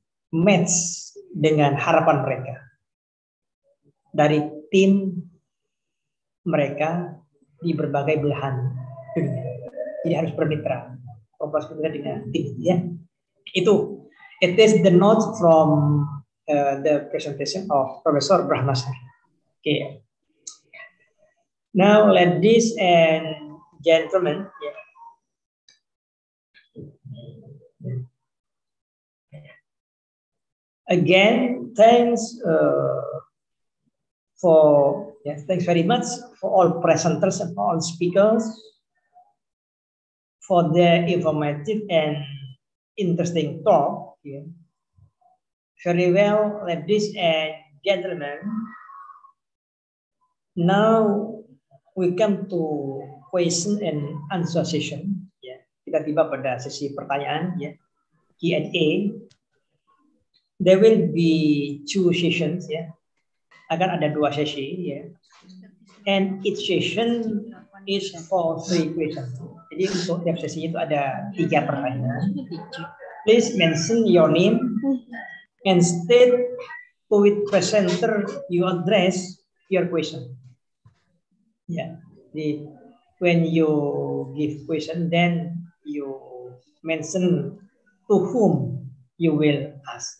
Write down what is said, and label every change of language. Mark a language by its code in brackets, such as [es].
[id] match dengan harapan mereka dari tim mereka di berbagai belahan dunia. Jadi harus bermitra, kompas bermitra dengan tim, ya. [en] Itu it is the note from the presentation of Professor Brahmasar. Okay. Now ladies and gentlemen, yeah. Again, thanks for, yeah, thanks very much for all presenters and all speakers for their informative and interesting talk. Yeah. Very well, ladies and gentlemen. Now we come to question and answer session. Yeah. [id] Kita tiba pada sesi pertanyaan, yeah, Q&A. [en] There will be two sessions. Yeah. [id] Akan ada dua sesi, ya. [en] And each session is for three questions. [id] Jadi untuk tiap sesi itu ada tiga pertanyaan. [en] Please mention your name and state to which presenter you address your question. Yeah. [id] Jadi [en] when you give question, then you mention to whom you will ask.